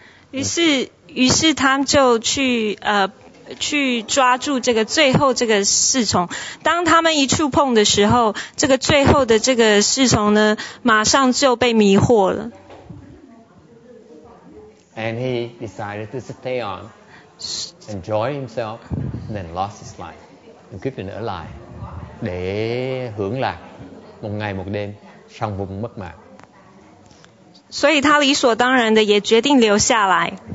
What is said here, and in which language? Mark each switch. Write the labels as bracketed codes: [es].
[zh] 于是他就去抓住这个最后这个侍从。当他们一触碰的时候，这个最后的这个侍从呢，马上就被迷惑了。 [en] And he decided to stay on, enjoy himself, and then lost his life. [vi] And quyết định ở lại để hưởng lạc một ngày một đêm, xong vùng mất mạng. [zh] 所以他理所当然的也决定留下来。